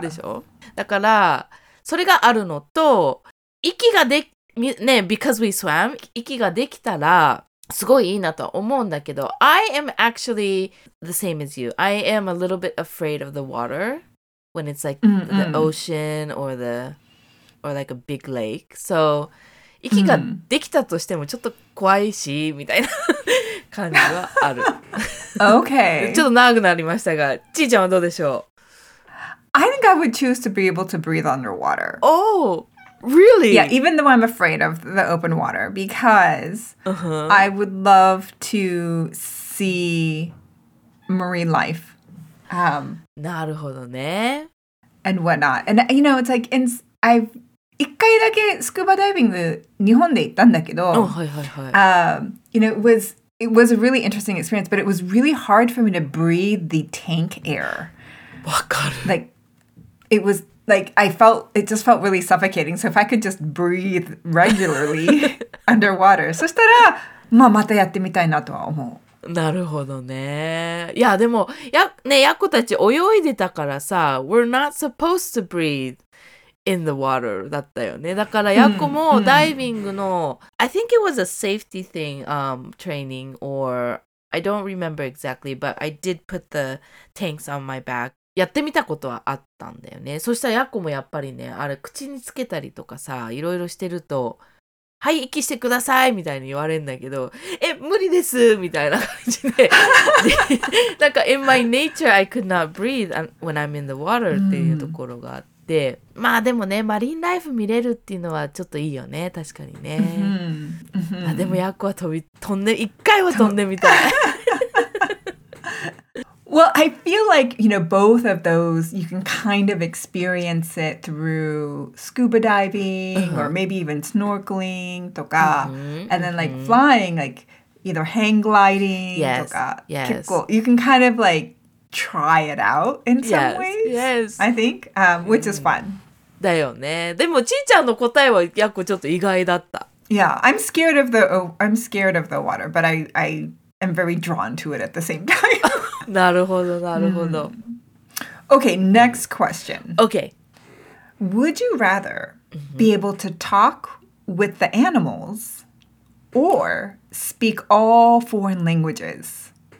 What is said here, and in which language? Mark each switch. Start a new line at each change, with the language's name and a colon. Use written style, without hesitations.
Japanese: でしょ？だから、それがあるのと、息ができ、ね、
English: because we swam,
Japanese: 息ができたら、すごいいいなと思うんだけど、
English: I am actually the same as you. I am a little bit afraid of the water when it's like、 mm-hmm. the ocean or the, or like a big lake.
Japanese: So,息ができたとしてもちょっと怖いし、mm. みたいな感じはある。
English: Okay.
Japanese: ちょっと長くなりましたが、ちーちゃんはどうでしょう?
English: I think I would choose to be able to breathe underwater. Oh, really? Yeah, even though I'm afraid of the open water, because、 uh-huh. I would love to see marine life.
Japanese: なるほどね。
English: And whatnot. And, you know, it's like, I've...
Japanese: 一回だけスクーバダイビング日本で行ったんだけど、 oh, はいはいはい、
English: you know, it was a really interesting experience, but it was really hard for me to breathe the tank air.
Japanese: わかる。
English: Like, it was, like, I felt, it just felt really suffocating. So if I could just breathe regularly underwater,
Japanese: そしたら、まあまたやってみたいなとは思う。なるほどね。いや、でも、や、ね、ヤコたち泳いでたからさ、
English: we're not supposed to breathe. In the water,
Japanese: だったよね。だからヤコもダイビングの、
English: I think it was a safety thing, training, or I don't remember exactly, but I did put the tanks on my back.
Japanese: やってみたことはあったんだよね。そしたらヤコもやっぱりね、あれ口につけたりとかさ、いろいろしてると、はい、息してくださいみたいに言われるんだけど、え、無理ですみたいな感じで、でなんか
English: in my nature, I could not breathe when I'm in the water
Japanese: っていうところがあって。でまあでもね、マリンライフ見れるっていうのはちょっといいよね、確かにね。 Mm-hmm. あでもヤコは飛んで、一回は飛んでみたい。
English: Well, I feel like, you know, both of those, you can kind of experience it through scuba diving、uh-huh. or maybe even snorkeling とか、 uh-huh. and then like flying, like either hang gliding yes,
Japanese: とか、
English: yes. 結構、you can kind of like,try it out in some yes, ways. Yes. I think, which is fun.
Japanese: だよね。でもちーちゃんの答えは結構ちょっと意外だった。
English: Yeah, I'm scared of the water, but I am very drawn to it at the same time.
Japanese: なるほど、なるほど。
English: Okay, next question. Okay. Would you rather be able to talk with the animals or speak all foreign languages?